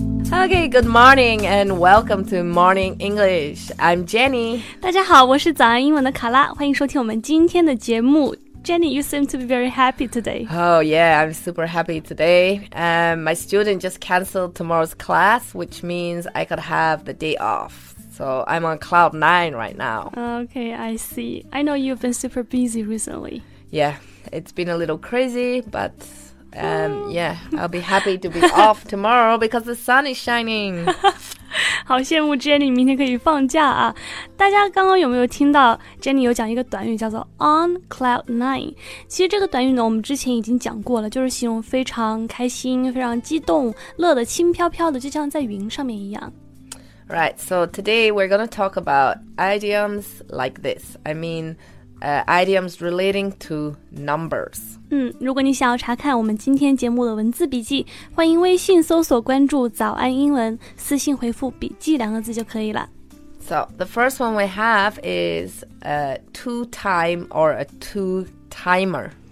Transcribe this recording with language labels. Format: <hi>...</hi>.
<en>Okay, good morning and welcome to Morning English. I'm Jenny.</en> <zh>大家好，我是早安英文的卡拉，欢迎收听我们今天的节目。</zh> <en>Jenny, you seem to be very happy today. Oh, yeah, I'm super happy today. My student just canceled tomorrow's class, which means I could have the day off. So I'm on cloud nine right now. Okay, I see. I know you've been super busy recently. Yeah, it's been a little crazy, but... yeah, I'll be happy to be off tomorrow because the sun is shining.</en> <zh>好羡慕 Jenny 明天可以放假啊。大家刚刚有没有听到 Jenny 有讲一个短语叫做</zh> <en>on cloud nine?</en> <zh>其实这个短语呢我们之前已经讲过了，就是形容非常开心，非常激动，乐得轻飘飘的，就像在云上面一样。</zh> <en>Right, so today we're going to talk about idioms like this. I mean... idioms relating to numbers.</en> <zh>如果你想要查看我们今天节目的文字笔记，欢迎微信搜索关注早安英文，私信回复笔记两个字就可以了。</zh> <en>So, the first one we have is a two-time or a two-timer.</en>